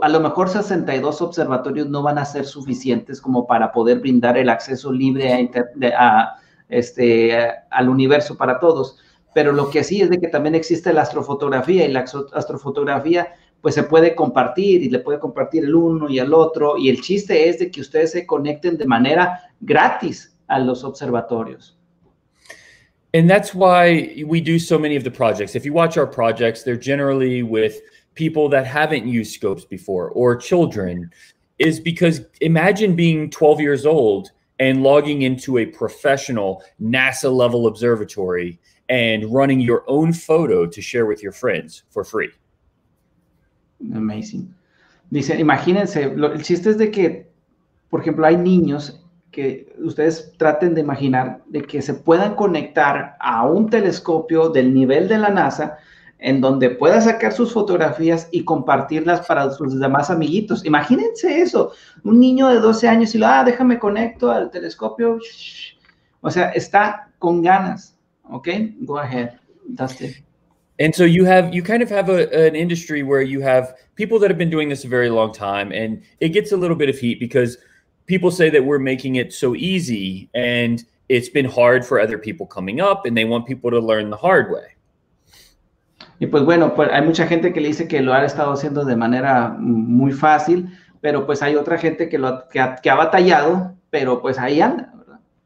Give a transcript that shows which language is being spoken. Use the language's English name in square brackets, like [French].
[Spanish] A lo mejor 62 observatorios no van a ser suficientes como para poder brindar el acceso libre al universo para todos. Pero lo que sí es de que también existe la astrofotografía y la astrofotografía pues se puede compartir y le puede compartir el uno y el otro. Y el chiste es de que ustedes se conecten de manera gratis a los observatorios. [English] And that's why we do so many of the projects. If you watch our projects, they're generally with people that haven't used scopes before or children, is because imagine being 12 years old and logging into a professional NASA level observatory and running your own photo to share with your friends for free. Amazing. [Spanish] Dice, imagínense, el chiste es de que, por ejemplo, hay niños que ustedes traten de imaginar de que se puedan conectar a un telescopio del nivel de la NASA en donde pueda sacar sus fotografías y compartirlas para sus demás amiguitos. Imagínense eso, un niño de 12 años y lo, déjame conecto al telescopio. O sea, está con ganas. [English] Ok, go ahead, [Spanish] Dustin. [English] And so you kind of have an industry where you have people that have been doing this a very long time, and it gets a little bit of heat because people say that we're making it so easy and it's been hard for other people coming up and they want people to learn the hard way. [Spanish] Y pues bueno, pues hay mucha gente que le dice que lo ha estado haciendo de manera muy fácil, pero pues hay otra gente que ha batallado, pero pues ahí anda, ¿verdad?